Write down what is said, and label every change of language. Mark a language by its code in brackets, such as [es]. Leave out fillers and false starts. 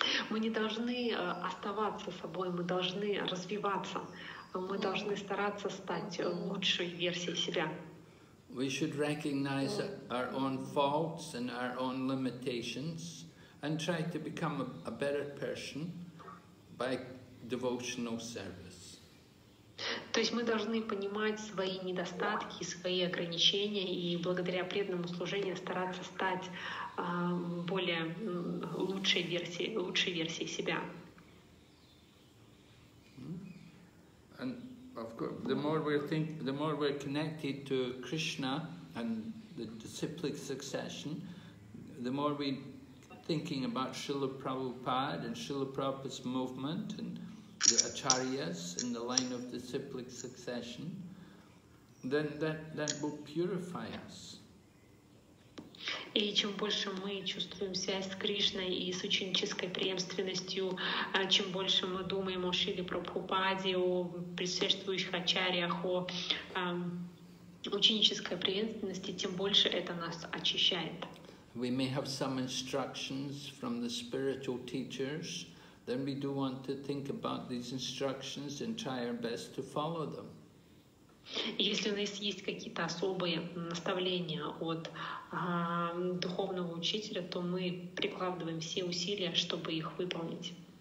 [ru] Мы не должны оставаться собой. Мы должны развиваться. Мы должны стараться стать лучшей версией себя. [en] We should recognize our own faults and our own limitations and try to become a better person by devotional service. [ru] То есть мы должны понимать свои недостатки, свои ограничения и благодаря преданному служению стараться стать более лучшей версией себя. [en] And of course, the more we're connected to Krishna and the cyclic succession, the more we're thinking about Srila Prabhupada and Srila Prabhupada's movement and the acharyas in the line of the cyclic succession, then that will purify us. [ru] И чем больше мы чувствуем связь с Кришной и с ученической преемственностью, чем больше мы думаем о Шриле Прабхупаде, о предшествующих ачарьях, о ученической преемственности, тем больше это нас очищает. [en] We may have some instructions from the spiritual teachers. Then we do want to think about these instructions and try our best to follow them. [ru] Если у нас есть какие-то особые наставления от духовного учителя, то мы прикладываем все усилия, чтобы их выполнить.